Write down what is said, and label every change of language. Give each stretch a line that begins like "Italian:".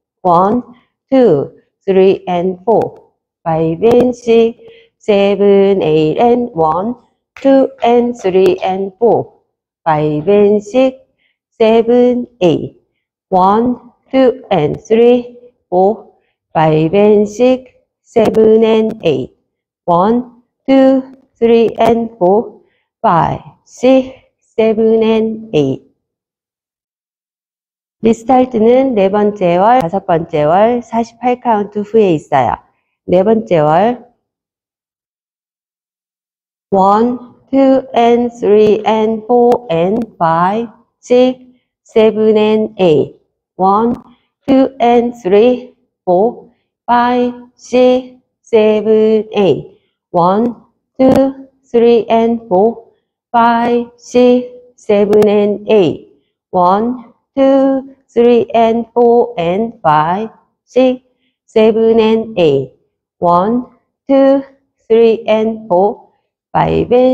English: One, two, three, and four, five, and six, seven, eight, and one, two, and three, and four, five, and six, seven, eight. One, two, and three, four, five, and six, seven, and eight. One, two, three, and four, five, six, seven, and eight.
Korean: 리스타트는 네 번째 월, 다섯 번째 월, 48카운트 후에 있어요. 네 번째 월
English: 1, 2, and 3, and 4, and 5, 6, 7, and 8 1, 2, and 3, 4, 5, 6, 7, 8 1, 2, 3, and 4, 5, 6, 7, and 8 1, 2, 3, and 4, and 5, 6, 7, and 8 1, 2, 3, and 4, 5, and 6, 7, 8, and 1, 2, and 3, and 4, 5,